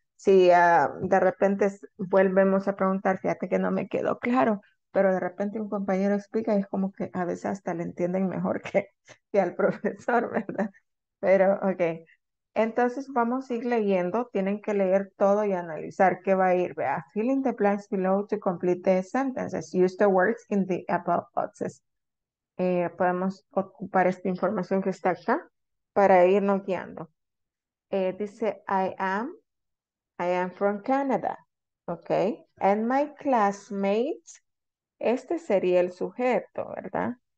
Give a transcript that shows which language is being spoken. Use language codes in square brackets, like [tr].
[es] Si de repente volvemos a preguntar, fíjate que no me quedó claro. Pero de repente un compañero explica y es como que a veces hasta le entienden mejor que al profesor, ¿verdad? Pero, ok. Entonces vamos a ir leyendo. Tienen que leer todo y analizar qué va a ir. [en] Vea, fill in the blanks below to complete the sentences. Use the words in the above boxes. [es] Podemos ocupar esta información que está acá para irnos guiando. Dice, [en] I am from Canada. Ok. And my classmates. [es] Este sería el sujeto, ¿verdad?